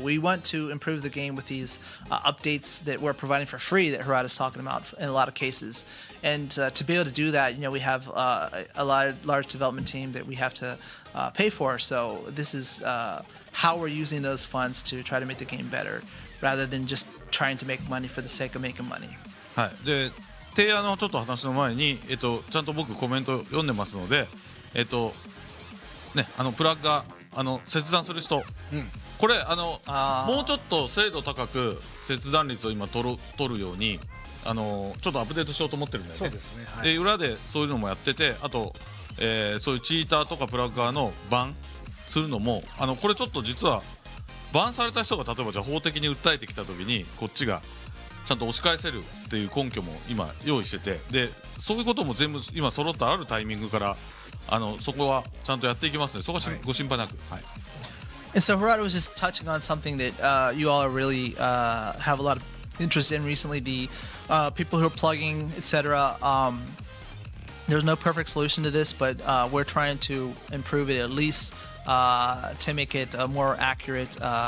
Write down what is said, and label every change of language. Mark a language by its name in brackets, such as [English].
[English] We want to improve the game with these updates that we're providing for free that Harada's talking about in a lot of cases. And to be able to do that, you know, we have a large development team that we have to pay for. So this is how we're using those funds to try to make the game better rather than just trying to make money for the sake of making money. Hi, dude. [Japanese] 提案のちょっと話の前に、ちゃんと僕コメント読んでますので、ね、あのプラグがあの切断する人、うん、これあのもうちょっと精度高く切断率を今取るようにあのちょっとアップデートしようと思ってるんだよね。そうですね、はい、で裏でそういうのもやっててあと、そういうチーターとかプラグ側のバンするのもあのこれちょっと実はバンされた人が例えばじゃあ法的に訴えてきた時にこっちがちゃんと押し返せるっていう根拠も今用意しててでそういうことも全部今揃ったあるタイミングからあのそこはちゃんとやっていきますねそこは、はい、ご心配なく、はい、 [English] And so Harada was just touching on something that you all are really have a lot of interest in recently the people who are plugging etc. There's no perfect solution to this but we're trying to improve it at least to make it a more accurate